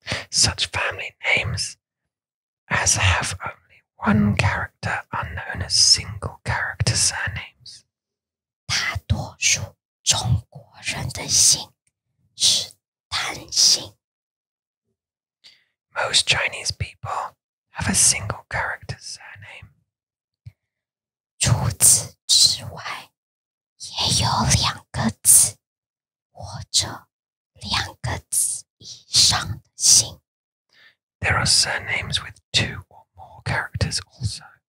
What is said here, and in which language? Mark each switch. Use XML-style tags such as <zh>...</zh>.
<en>Such family names as have only one character are known as single character surnames.</en> <zh>大多数中国人的姓 是单姓。</zh> <en>Most Chinese people have a single character surname.</en> <zh>除此之外, 也有两个字, 或者两个字以上的姓。</zh> <en>There are surnames with two or more characters also.</en>